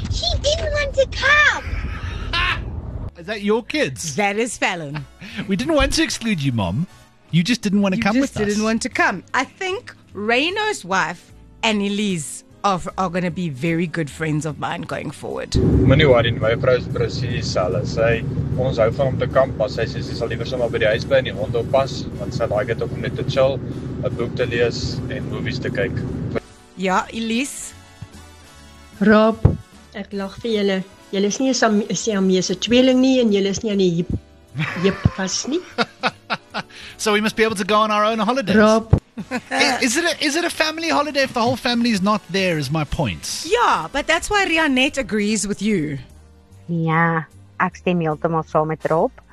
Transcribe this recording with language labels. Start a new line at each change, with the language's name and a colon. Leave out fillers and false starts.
English: She didn't want to come. Is that your kids? That is Fallon. We didn't want to exclude you, Mom. You just didn't want to come with us. You just didn't want to come. I think Reino's wife and Elise are going to be very good friends of mine going forward.
Afrikaans: Moenie worry, my vrou is presies hulle. Sy ons hou van om te kamp, maar sy sê sy sal liever sommer by die huis bly en die hond oppas, want sy like dit ook om net te chill, 'n boek te lees en movies te kyk. Ja, Elise. Rob, ek lag vir julle. Julle is nie 'n Siamese tweeling nie en julle is nie aan die hip pas nie.
English: So we must be able to go on our own holidays. Rob. is it a family holiday if the whole family is not there is my point. Yeah, but that's why Rianette agrees with you.
Afrikaans: Ja, ek stem heeltemal saam met Rob.